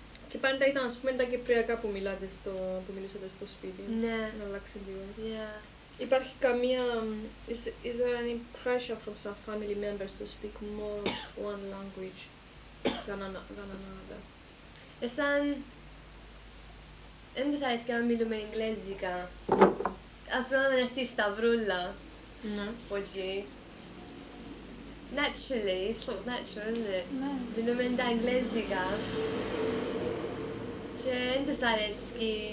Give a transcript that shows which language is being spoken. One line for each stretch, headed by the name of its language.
Greek: Και πάντα ήταν ας πούμε τα κυπριακά που μιλάτε στο, που μιλήσατε στο σπίτι. Ναι. Να αλλάξει λίγο.
English: Yeah.
Greek: Υπάρχει καμία...
English: Is there any pressure from some family members to speak more one language than another?
Greek: Ήταν... Δεν τους αρέσει να μιλούμε εγγλέζικα. Ας πούμε να έρθει η Σταυρούλα. Ναι. Όχι.
English: Naturally, it's not natural, isn't it?
Greek: Ναι. Μιλούμε τα εγγλέζικα. Δεν τους αρέσκει.